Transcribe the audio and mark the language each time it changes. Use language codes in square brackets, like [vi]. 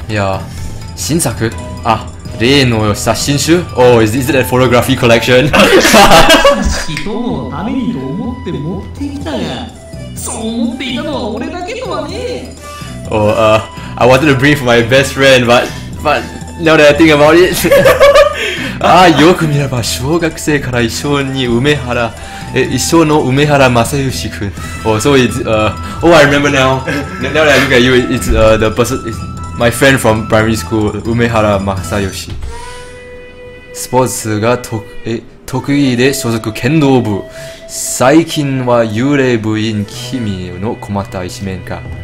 [ja] Yeah. 新作?Ah, 例の写真集? [en] Oh, is it a photography collection? Oh, I wanted to bring for my best friend, but now that I think about it. [ja] ああ、よく見れば小学生から一緒に梅原、一緒の梅原正義くん。 [en] Oh, so it's, oh, I remember now. Now that I look at you, it's, the person, it's my friend from primary school, 梅原正義。 [ja] スポーツが得意で所属剣道部。最近は幽霊部員君の困った一面か。